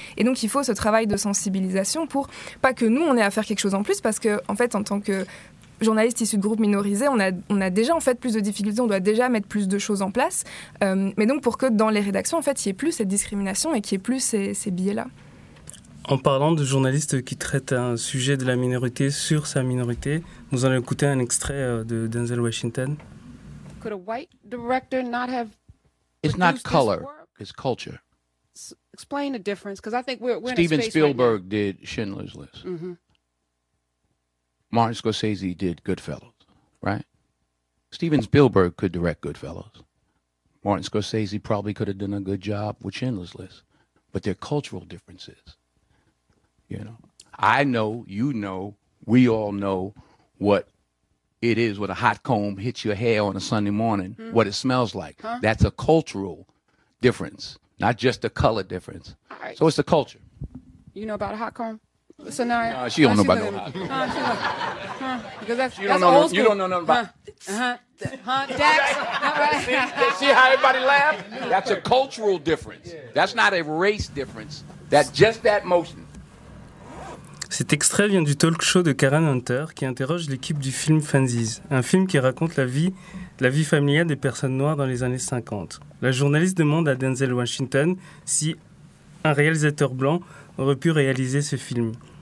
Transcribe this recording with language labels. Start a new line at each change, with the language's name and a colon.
French: Et donc il faut ce travail de sensibilisation pour pas que nous on ait à faire quelque chose en plus, parce que en fait en tant que journaliste issu de groupes minorisés, on a déjà en fait plus de difficultés, on doit déjà mettre plus de choses en place, mais donc pour que dans les rédactions en fait il n'y ait plus cette discrimination et qu'il n'y ait plus ces biais-là. En parlant de journalistes qui traitent un sujet de la minorité sur sa minorité, nous allons écouter un extrait de Denzel Washington.
English: Could a white director not have produced It's not color, it's culture. Explain the difference, because I think we're in a space. Steven Spielberg right now. Did Schindler's List. Mm-hmm. Martin Scorsese did Goodfellas, right? Steven Spielberg could direct Goodfellas. Martin Scorsese probably could have done a good job with Schindler's List, but there are cultural differences. You know, I know, you know, we all know what it is when a hot comb hits your hair on a Sunday morning, mm-hmm. what it smells like. Huh? That's a cultural difference, not just a color difference. All right. So it's the culture. You know about a hot comb? So now she don't know about no hot comb. Because that's old school. You don't know nothing about Dex? See how everybody laughed? That's a cultural difference. Yeah. That's not a race difference. That's just that motion.
French: Cet extrait vient du talk show de Karen Hunter qui interroge l'équipe du film Fanzies, un film qui raconte la vie familiale des personnes noires dans les années 50. La journaliste demande à Denzel Washington si un réalisateur blanc aurait pu réaliser ce film.